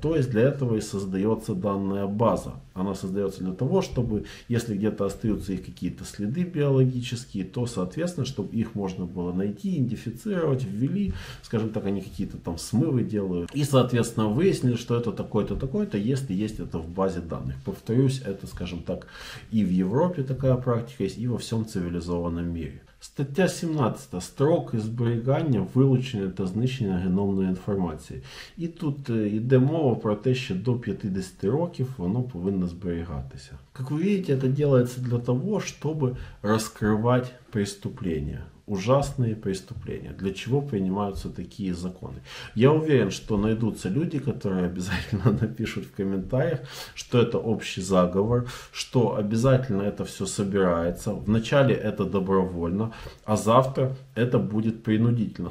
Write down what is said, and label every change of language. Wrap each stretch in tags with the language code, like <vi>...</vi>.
<ru>То есть для этого и создается данная база. Она создается для того, чтобы, если где-то остаются их какие-то следы биологические, то, соответственно, чтобы их можно было найти, идентифицировать, ввели, скажем так, они какие-то там смывы делают. И, соответственно, выяснили, что это такое-то, такое-то, если есть это в базе данных. Повторюсь, это, скажем так, и в Европе такая практика есть, и во всем цивилизованном мире.</ru> <uk>Стаття 17. Строк зберігання, вилучення та знищення геномної інформації. І тут йде мова про те, що до 50 років воно повинно зберігатися. Як ви бачите, це робиться для того, щоб розкривати</uk> <ru>преступления. Ужасные преступления. Для чего принимаются такие законы? Я уверен, что найдутся люди, которые обязательно напишут в комментариях, что это общий заговор, что обязательно это все собирается. Вначале это добровольно, а завтра это будет принудительно.</ru>